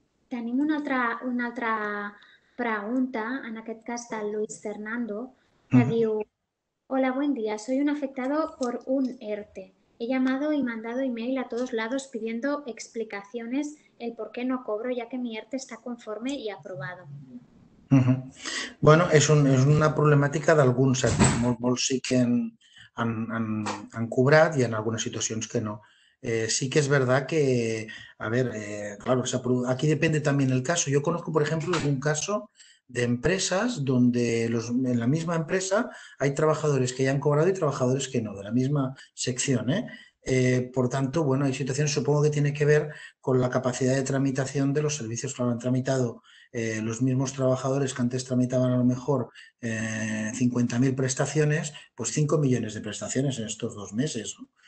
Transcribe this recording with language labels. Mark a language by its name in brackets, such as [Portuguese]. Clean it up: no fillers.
[Catalan] Tenim una altra pregunta, en aquest cas del Luis Fernando, que diu: [Spanish] Hola, buen día, soy un afectado por un ERTE. He llamado y mandado email a todos lados pidiendo explicaciones el por qué no cobro, ya que mi ERTE está conforme y aprobado. [Catalan] Bueno, és una problemàtica d'algun sector. Molts sí que han cobrat i en algunes situacions que no. Sí que és veritat que, a veure, claro, aquí depèn també del cas. [Spanish] Jo conozco, [Catalan] per exemple, [Spanish] algun cas de empresas donde en la misma empresa hay trabajadores que ya han cobrado y trabajadores que no, de la misma sección, ¿eh? Por tanto, bueno, hay situaciones, supongo que tiene que ver con la capacidad de tramitación de los servicios que lo han tramitado los mismos trabajadores que antes tramitaban a lo mejor 50.000 prestaciones, pues 5 millones de prestaciones en estos 2 meses, ¿no?